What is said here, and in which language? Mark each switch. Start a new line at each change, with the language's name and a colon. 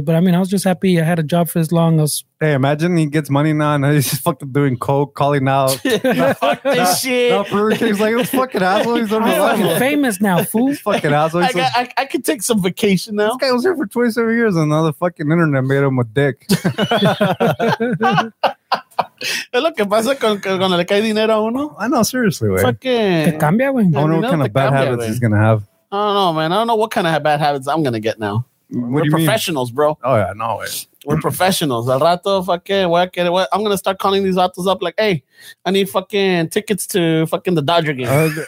English: But I mean, I was just happy I had a job for as long as. Hey, imagine he gets money now and he's just fucking doing coke, calling out. Fuck this shit. No, Burger King's like, this fucking asshole. He's fucking famous now, fool. Fucking asshole. I could take some vacation now. This guy was here for 27 years and now the fucking internet made him a dick.
Spanish: Lo que pasa cuando le cae dinero a uno?
English: I know, seriously, way. Fucking.
Spanish: Cambia,
English: I don't know what kind of bad habits he's going to have. I don't know, man. I don't know what kind of bad habits I'm going to get now. We're professionals, bro. Oh, yeah. No way. We're professionals.
Spanish: Al rato,
English: fucking, I'm going to start calling these autos up like, hey, I need fucking tickets to fucking the Dodger game.